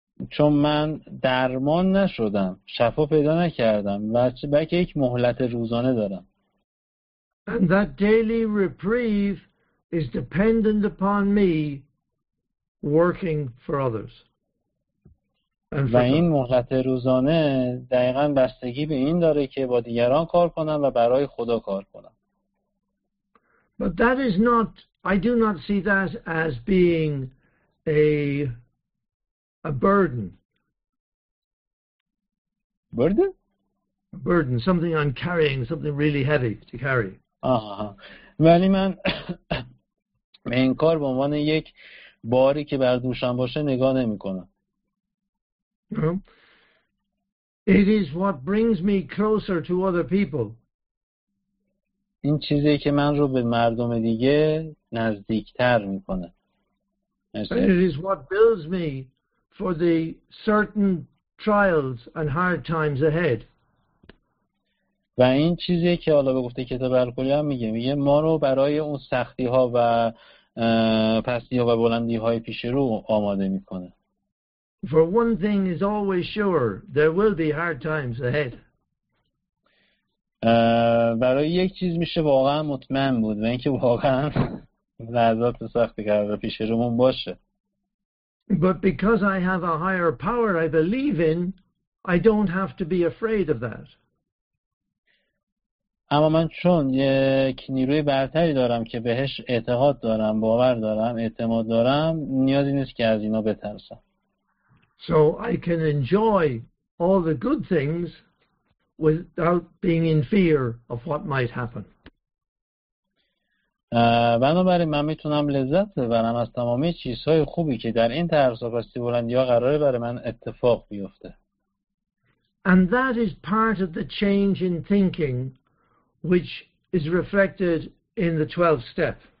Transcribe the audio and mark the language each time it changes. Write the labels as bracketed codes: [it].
[fa] چون من درمان نشدم، شفا پیدا نکردم، بلکه یک مهلت روزانه دارم. [en] And that daily reprieve is dependent upon me working for others. [fa] و این مهلت روزانه دقیقاً بستگی به این داره که با دیگران کار کنم و برای خدا کار کنم. [en] But that is not, I do not see that as being a burden. Burden? A burden, something I'm carrying, something really heavy to carry. [fa] ولی من به این کار به عنوان یک باری که بر دوشم باشه نگاه نمی کنم. [en] No. It is what brings me closer to other people. [fa] این چیزی که من رو به مردم دیگه نزدیکتر می‌کنه. [en] It is what builds me for the certain trials and hard times ahead. [fa] و این چیزی که حالا به گفته کتاب الکلی هم میگه ما رو برای اون سختی‌ها و پستی‌ها و بلندی‌های پیش رو آماده می‌کنه. [en] For one thing is always sure, there will be hard times ahead. [fa] برای یک چیز میشه واقعا مطمئن بود و اینکه واقعا لحظات سختی قرار پیش رومون باشه. [en] But because I have a higher power I believe in, I don't have to be afraid of that. [fa] اما من چون یک نیروی برتری دارم که بهش اعتقاد دارم، باور دارم، اعتماد دارم، نیازی نیست که از اینا بترسم. [en] So I can enjoy all the good things without being in fear of what might happen. [fa] بنابراین من میتونم لذت ببرم از تمامی چیزهای خوبی که در این ترس و پستی بلندی ها قراره برای من اتفاق بیفته. [en] And that is part of the change in thinking which is reflected in the 12th step.